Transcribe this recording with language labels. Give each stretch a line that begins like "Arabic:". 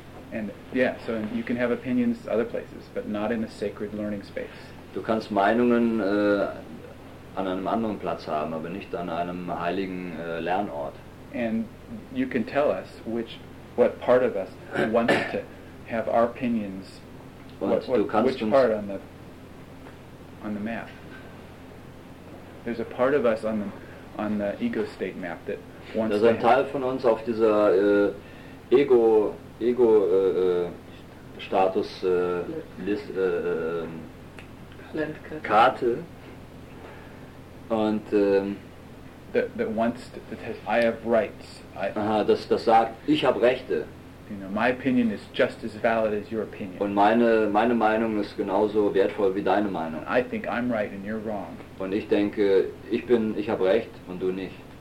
English: And yeah, so you can have opinions other places, but not in a sacred learning space.
German: Du kannst Meinungen an einem anderen Platz haben, aber nicht an einem heiligen Lernort.
English: And you can tell us what part of us wants to have our opinions. Which part on the map? There's a part of us on the ego state map that.
German: Da ist ein Teil von uns auf dieser Ego-Status-Karte. Und das sagt, ich habe Rechte.
English: You know, my opinion is just as valid as your opinion.
German: Und meine Meinung ist genauso wertvoll wie deine Meinung.
English: I think I'm right and you're wrong.
German: Und ich denke, ich habe Recht und du nicht.